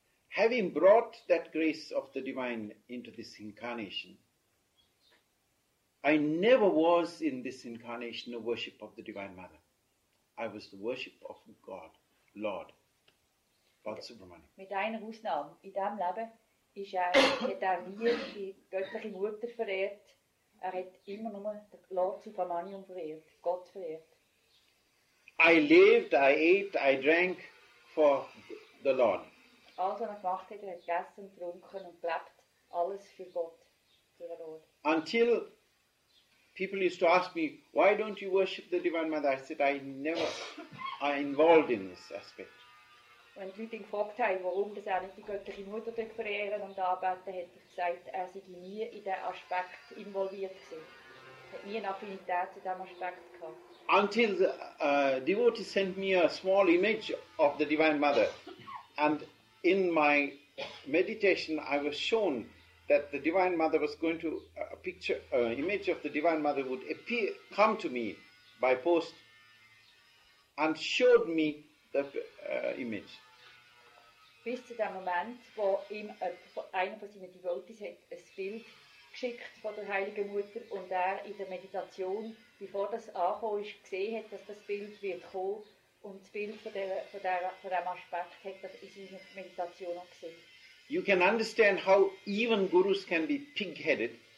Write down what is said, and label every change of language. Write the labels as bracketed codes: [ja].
[en] Having brought that grace of the divine into this incarnation, I never was in this incarnation a worship of the Divine Mother. I was the worship of God, Lord, Lord Subramaniam. [de] Mit einer Ausnahme, in diesem Leben ist er, hat er nie die göttliche Mutter verehrt. Er hat immer nur den Lord Subramaniam verehrt, Gott verehrt. [en] I lived, I ate, I drank for the Lord. [de] Alles, was er gemacht hat, er hat gegessen, getrunken und gelebt, alles für Gott, für den Lord. [en] Until people used to ask me, why don't you worship the Divine Mother? I said, I never are involved in this aspect. When people asked me, why don't you worship the Göttliche Mutter and pray and pray, I said, I said, I was never in that aspect involved. I had never an affinity to that aspect. Until the devotee sent me a small image of the Divine Mother, and in my meditation I was shown that the Divine Mother was going to, a picture, image of the Divine Mother would appear, come to me by post and showed me the image. [de] Bis zu dem Moment, wo ihm einer von seinen Devotees hat ein Bild geschickt von der Heiligen Mutter und er in der Meditation, bevor das angekommen ist, gesehen hat, dass das Bild wird kommen und das Bild von dem Aspekt hat er in seiner Meditation auch gesehen. [en] You can understand how even gurus can be pig-headed.